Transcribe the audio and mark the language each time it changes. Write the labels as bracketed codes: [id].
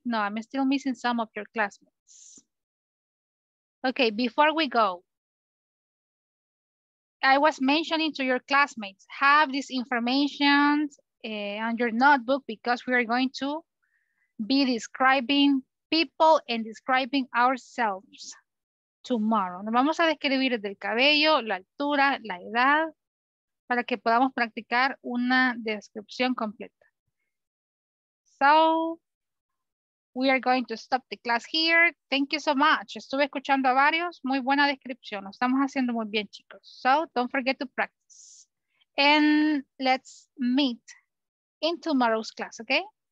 [en] No, I'm still missing some of your classmates. Okay, before we go, I was mentioning to your classmates, have this information on your notebook because we are going to be describing people and describing ourselves tomorrow. [es] Nos vamos a describir el cabello, la altura, la edad, para que podamos practicar una descripción completa. [en] So, we are going to stop the class here. Thank you so much. [es] Estuve escuchando a varios. Muy buena descripción. Lo estamos haciendo muy bien, chicos. [en] So, don't forget to practice. And let's meet in tomorrow's class, okay?